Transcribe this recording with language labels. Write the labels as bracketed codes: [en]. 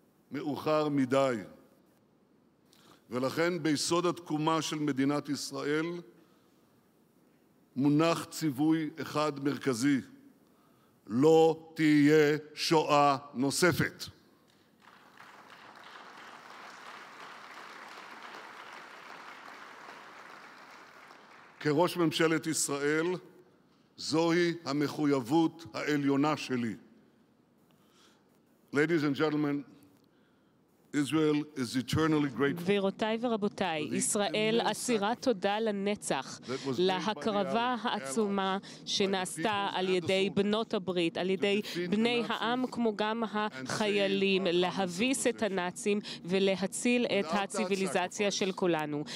[he] מאוחר מדי, ולכן ביסוד התקומה של מדינת ישראל מונח ציווי אחד מרכזי: לא תהיה שואה נוספת. כראש ממשלת ישראל זוהי המחויבות העליונה שלי. [en] Ladies and gentlemen, Israel is eternally grateful. [he] גבירותיי ורבותיי, ישראל אסירה תודה לנצח, להקרבה העצומה שנעשתה על ידי בנות הברית, על ידי בני העם כמו גם החיילים, להביס את הנאצים ולהציל את הציוויליזציה של כולנו.